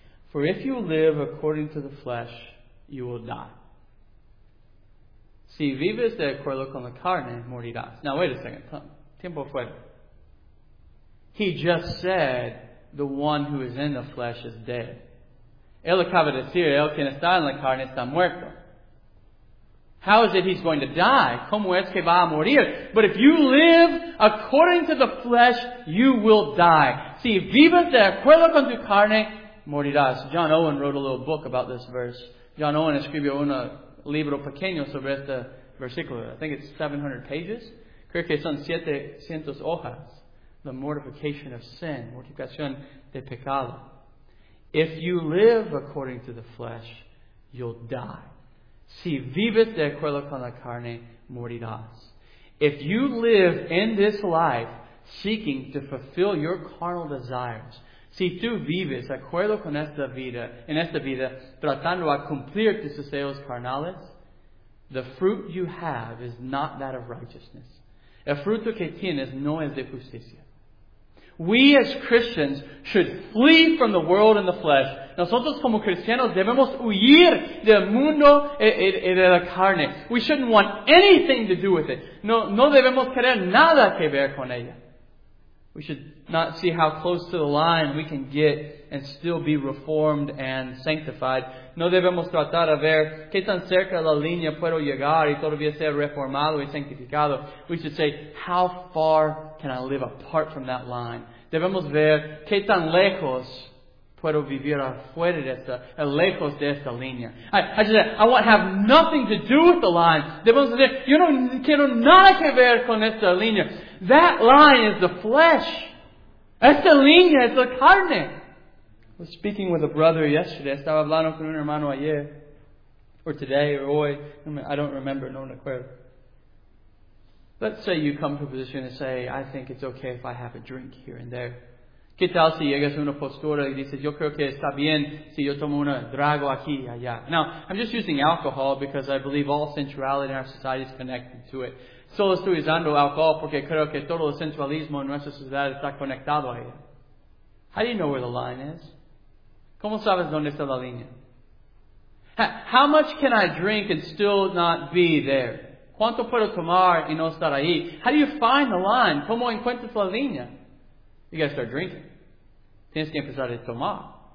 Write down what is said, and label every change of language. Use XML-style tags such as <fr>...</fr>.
<en>For if you live according to the flesh, you will die.</en> <es>Si vives de acuerdo con la carne, morirás.</es> <en>Now, wait a second.</en> <es>Tiempo fuera.</es> <en>He just said, the one who is in the flesh is dead.</en> <es>Él acaba de decir, el que está en la carne está muerto.</es> <en>How is it he's going to die?</en> <es>¿Cómo es que va a morir?</es> <en>But if you live according to the flesh, you will die.</en> <es>Si vives de acuerdo con tu carne, morirás.</es> <en>John Owen wrote a little book about this verse.</en> <es>John Owen escribió un libro pequeño sobre este versículo.</es> <en>I think it's 700 pages.</en> <es>Creo que son 700 hojas.</es> <en>The mortification of sin,</en> <es>mortificación de pecado.</es> <en>If you live according to the flesh, you'll die.</en> <es>Si vives de acuerdo con la carne, morirás.</es> <en>If you live in this life seeking to fulfill your carnal desires,</en> <es>si tú vives de acuerdo con esta vida, en esta vida, tratando a cumplir tus deseos carnales,</es> <en>the fruit you have is not that of righteousness.</en> <es>El fruto que tienes no es de justicia.</es> <en>We as Christians should flee from the world and the flesh.</en> <es>Nosotros como cristianos debemos huir del mundo y de la carne.</es> <en>We shouldn't want anything to do with it.</en> <es>No debemos querer nada que ver con ella.</es> <en>We should not see how close to the line we can get and still be reformed and sanctified.</en> <es>No debemos tratar a ver qué tan cerca la línea puedo llegar y todavía ser reformado y sanctificado.</es> <en>We should say, how far can I live apart from that line?</en> <es>Debemos ver qué tan lejos puedo vivir afuera de esta, lejos de esta línea.</es> <en>I just said, I want have nothing to do with the line.</en> <es>Debemos decir, yo no quiero nada que ver con esta línea.</es> <en>That line is the flesh.</en> <es>Esta línea es la carne.</es> <en>I was speaking with a brother yesterday.</en> <es>Estaba hablando con un hermano ayer.</es> <en>Or today, or hoy. I don't remember,</en> <es>no me acuerdo.</es> <en>Let's say you come to a position and say, I think it's okay if I have a drink here and there.</en> <es>¿Qué tal si llegas a una postura y dices, yo creo que está bien si yo tomo una drago aquí y allá?</es> <en>Now, I'm just using alcohol because I believe all sensuality in our society is connected to it.</en> <es>Solo estoy usando alcohol porque creo que todo el sensualismo en nuestra sociedad está conectado a ella.</es> <en>How do you know where the line is?</en> <es>¿Cómo sabes dónde está la línea?</es> <en>How much can I drink and still not be there?</en> <es>¿Cuánto puedo tomar y no estar ahí?</es> <en>How do you find the line?</en> <es>¿Cómo encuentras la línea?</es> <en>You gotta start drinking.</en> <es>Tienes que empezar a tomar.</es>